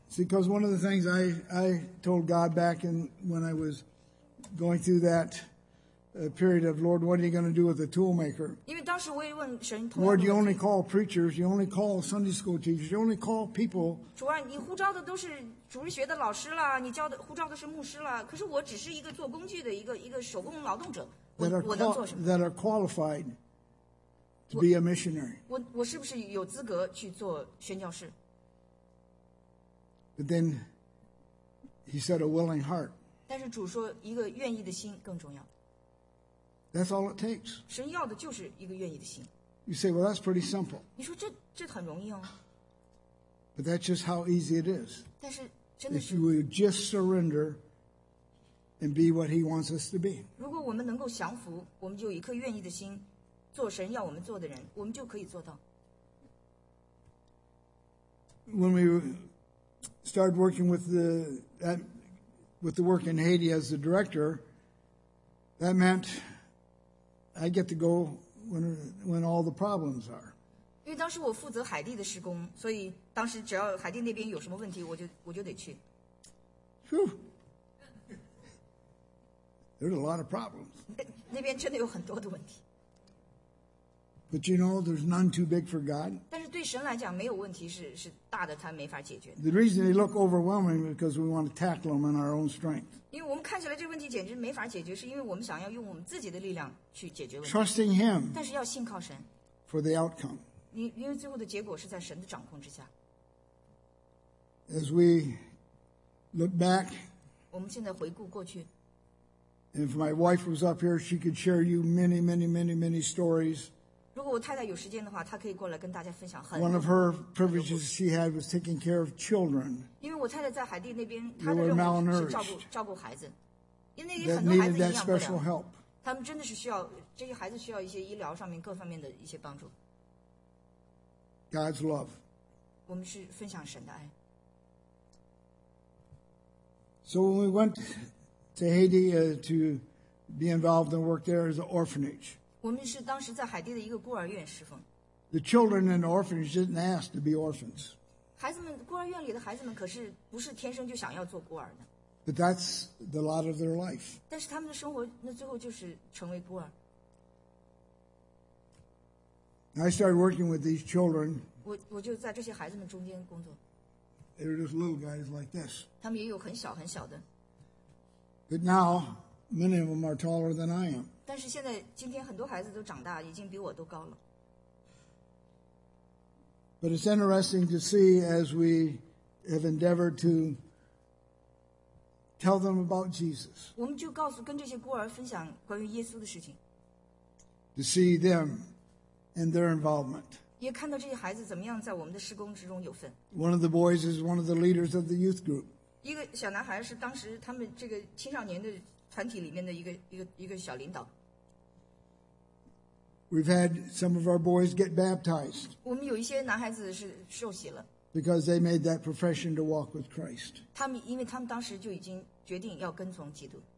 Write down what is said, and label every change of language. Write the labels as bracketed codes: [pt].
[en] See, because one of the things I told God back in, when I was going through thatA period of Lord, what are you going to do with the toolmaker? Lord, you only call preachers, you only call Sunday school teachers, you only call people. [zh] 主啊，你呼召的都是主日学的老师了，你教的呼召的是牧师了。可是我只是一个做工具的一个手工劳动者。 [en] That are that are qualified to be a missionary. [zh] 我是不是有资格去做宣教士 [en] ？But then he said, a willing heart. [zh] 但是主说，一个愿意的心更重要。 [en] That's all it takes. [zh] 神要的就是一个愿意的心。 [en] You say, well, that's pretty simple. [zh] 你说这很容易哦。 [en] But that's just how easy it is. [zh] 但是真的是。 [en] If you will just surrender and be what He wants us to be. [zh] 如果我们能够降服，我们就有一颗愿意的心，做神要我们做的人，我们就可以做到。 [en] When we started working with the work in Haiti as the director, that meant. I get to go when all the problems are. [zh] 因为当时我负责海地的施工，所以当时只要海地那边有什么问题，我就得去。 [en] There's a lot of problems. [zh] 那边真的有很多的问题。 [en] But you know, there's none too big for God. [zh] 但是对神来讲，没有问题是大的，他没法解决。 [en] The reason they look overwhelming is because we want to tackle them in our own strength. [zh] 因为我们看起来这个问题简直没法解决，是因为我们想要用我们自己的力量去解决问题。 [en] Trusting Him. [zh] 但是要信靠神。 [en] For the outcome. [zh] 因为最后的结果是在神的掌控之下。 [en] As we look back. [zh] 我们现在回顾过去。 [en] If my wife was up here, she could share you many, many, many, many stories. [zh] 如果我太太有时间的话，她可以过来跟大家分享很多。 [en] One of her privileges she had was taking care of children. [zh] 因为我太太在海地那边，她的任务是照顾孩子，因为那里很多孩子营养不良。他们真的是需要这些孩子需要一些医疗上面各方面的一些帮助。 [en] God's love. [zh] 我们是分享神的爱。 [en] So when we went to Haiti to be involved and work there as an orphanage. [zh] 我们是当时在海地的一个孤儿院侍奉。 [en] The children in the orphanage didn't ask to be orphans. [zh] 孩子们，孤儿院里的孩子们可是不是天生就想要做孤儿的。 [en] But that's the lot of their life. [zh] 但是他们的生活，那最后就是成为孤儿。 [en] I started working with these children. [zh] 我就在这些孩子们中间工作。 [en] They were just little guys like this. [zh] 他们也有很小很小的。 [en] But now, many of them are taller than I am. [zh] 但是现在今天很多孩子都长大已经比我都高了。 [en] But it's interesting to see as we have endeavored to tell them about Jesus. [zh] 我们就告诉跟这些孤儿分享关于耶稣的事情。 [en] To see them and their involvement. [zh] 也看到这些孩子怎么样在我们的施工之中有份。 [en] One of the boys is one of the leaders of the youth group. [zh] 一个小男孩是当时他们这个青少年的团体里面的一个小领导。 [en] We've had some of our boys get baptized. [zh] 我们有一些男孩子是受洗了。 [en] Because they made that profession to walk with Christ. [zh] 他们因为他们当时就已经决定要跟从基督。